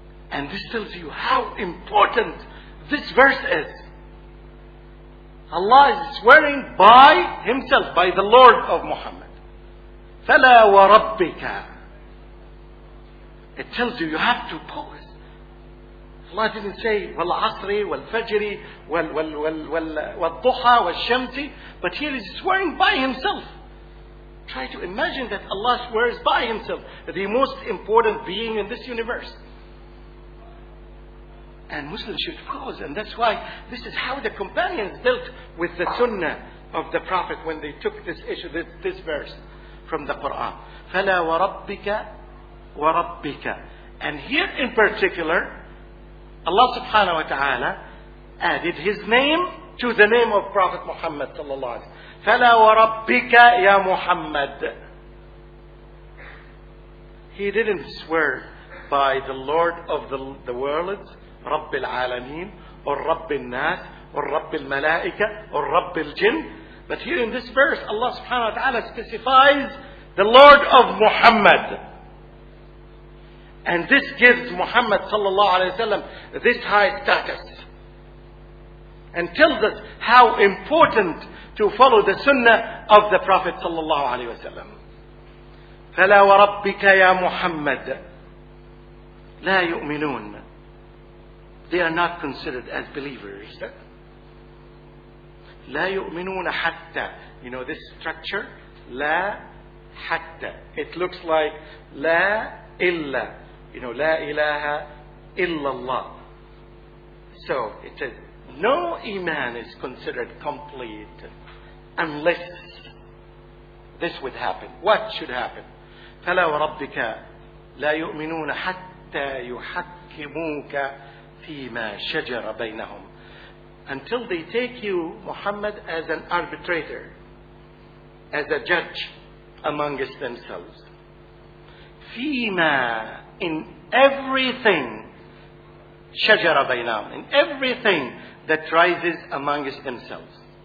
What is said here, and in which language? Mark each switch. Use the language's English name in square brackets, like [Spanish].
[English] And this tells you how important this verse is. Allah is swearing by himself, by the Lord of Muhammad. [Arabic] فَلَا وَرَبِّكَ. [English] It tells you have to pause. Allah didn't say [Arabic] وَالْعَصْرِ وَالْفَجْرِ وَالْضُحَى وَالشَّمْسِ. [English] But here he's swearing by himself. Try to imagine that Allah swears by himself, the most important being in this universe. And Muslims should pause. And that's why this is how the companions dealt with the sunnah of the Prophet when they took this issue, this verse from the Quran. [Arabic] فَلَا وَرَبِّكَ وَرَبِّكَ. [English] And here in particular, Allah subhanahu wa ta'ala added his name to the name of Prophet Muhammad sallallahu alayhi wa sallam. [Arabic] فَلَا وَرَبِّكَ يَا Muhammad. [English] He didn't swear by the Lord of the worlds, [Arabic] رب العالمين والرب الناس والرب الملائكة والرب الجن. [English] But here in this verse, Allah subhanahu wa ta'ala specifies the Lord of Muhammad. And this gives Muhammad sallallahu alayhi wa sallam this high status. And tells us how important to follow the sunnah of the Prophet sallallahu alayhi wa sallam. [Arabic] فلا وربك يا محمد لا يؤمنون. [English] They are not considered as believers. [Arabic] لا يؤمنون حتى. [English] You know this structure? [Arabic] لا حتى. [English] It looks like [Arabic] لا إلا. [English] You know, [Arabic] لا إله إلا الله. [English] So it says, no iman is considered complete unless this would happen. What should happen? [Arabic] فلا وربك لا يؤمنون حتى يحكموك فيما شجر بينهم. [English] Until they take you, Muhammad, as an arbitrator, as a judge amongst themselves. فيما, in everything, [Arabic] شجر بينهم, [English] in everything that rises amongst themselves.